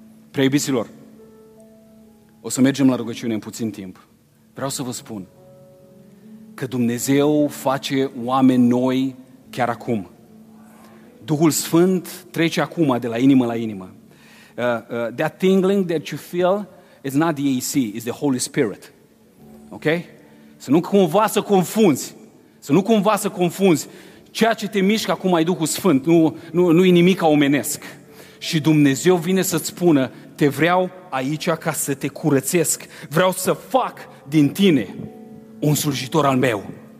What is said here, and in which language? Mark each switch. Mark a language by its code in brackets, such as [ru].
[ro] Preiubiților, o să mergem la rugăciune în puțin timp. Vreau să vă spun că Dumnezeu face oameni noi chiar acum. Duhul Sfânt trece acum de la inimă la inimă. [en] That tingling that you feel is not the AC, it's the Holy Spirit. [ro] Ok? Să nu cumva să confunzi. Să nu cumva să confunzi. Ceea ce te mișcă acum e Duhul Sfânt. Nu e nimic omenesc. Și Dumnezeu vine să-ți spună: te vreau aici ca să te curățesc. Vreau să fac din tine un slujitor al meu.